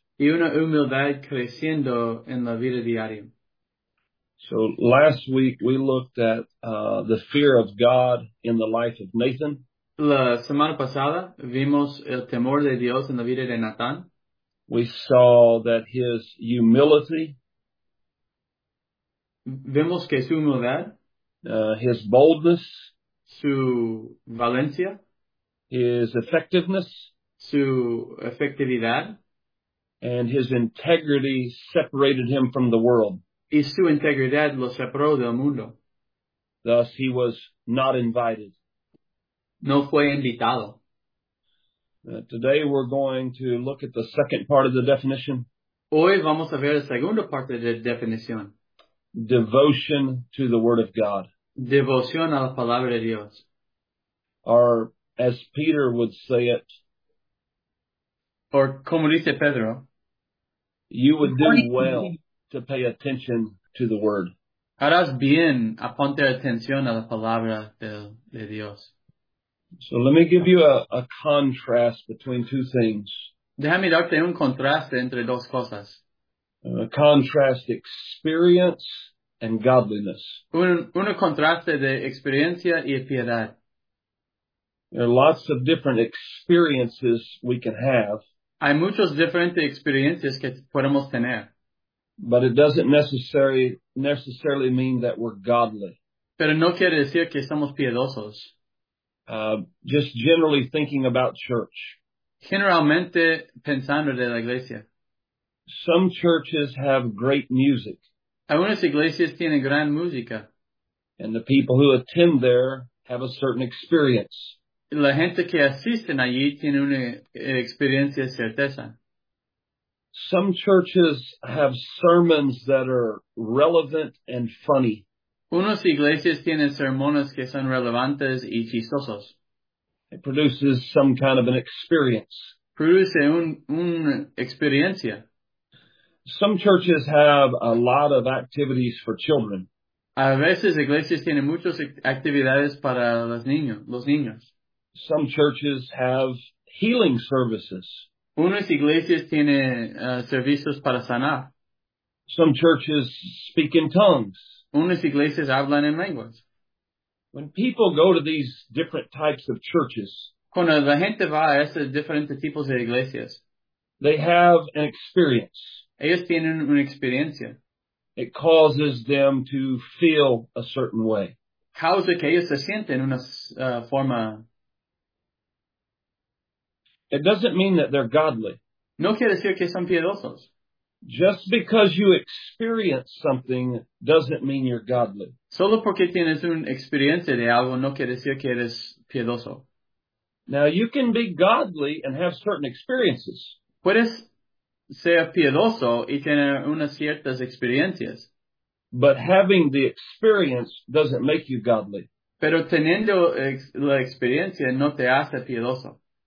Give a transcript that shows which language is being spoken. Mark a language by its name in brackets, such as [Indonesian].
[Spanish] Y una humildad creciendo en la vida diaria. [English] So last week we looked at the fear of God in the life of Nathan. [Spanish] La semana pasada vimos el temor de Dios en la vida de Nathan. [English] We saw that his humility. [Spanish] Vemos que su humildad. [English] His boldness. [Spanish] Su valencia. [English] His effectiveness. [Spanish] Su efectividad. [English] And his integrity separated him from the world. [Spanish] Y su integridad lo separó del mundo. [English] Thus he was not invited. [Spanish] No fue invitado. [English] Today we're going to look at the second part of the definition. [Spanish] Hoy vamos a ver la segunda parte de la definición. [English] Devotion to the Word of God. [Spanish] Devoción a la palabra de Dios. [English] Or, as Peter would say it. [Spanish] Or, como dice Pedro. [English] You would do well to pay attention to the Word. [Spanish] Harás bien a poner atención a la palabra de Dios. [English] So let me give you a contrast between two things. [Spanish] Déjame darte un contraste entre dos cosas. [English] A contrast experience and godliness. [Spanish] Un contraste de experiencia y piedad. [English] There are lots of different experiences we can have. [Spanish] Hay muchas diferentes experiencias que podemos tener. [English] But it doesn't necessarily mean that we're godly. [Spanish] Pero no quiere decir que somos piedosos. [English] Just generally thinking about church. [Spanish] Generalmente pensando de la iglesia. [English] Some churches have great music. [Spanish] Algunas iglesias tienen gran música. [English] And the people who attend there have a certain experience. [Spanish] La gente que asisten allí tiene una experiencia certeza. [English] Some churches have sermons that are relevant and funny. [Spanish] Unas iglesias tienen sermones que son relevantes y chistosos. [English] It produces some kind of an experience. [Spanish] Produce una experiencia. [English] Some churches have a lot of activities for children. [Spanish] A veces iglesias tienen muchas actividades para los niños. [English] Some churches have healing services. [Spanish] Unas iglesias tienen servicios para sanar. [English] Some churches speak in tongues. [Spanish] Unas iglesias hablan en lenguas. [English] When people go to these different types of churches, [Spanish] cuando la gente va a esos diferentes tipos de iglesias, [English] they have an experience. [Spanish] Ellos tienen una experiencia. [English] It causes them to feel a certain way. [Spanish] Causa que ellos se sienten una forma. [English] It doesn't mean that they're godly. [Spanish] No quiere decir que son piedosos. [English] Just because you experience something doesn't mean you're godly. [Spanish] Solo porque tienes una experiencia de algo no quiere decir que eres piedoso. [English] Now, you can be godly and have certain experiences. [Spanish] Puedes ser piedoso y tener unas ciertas experiencias. [English] But having the experience doesn't make you godly. [Spanish] Pero teniendo la experiencia no te hace piedoso.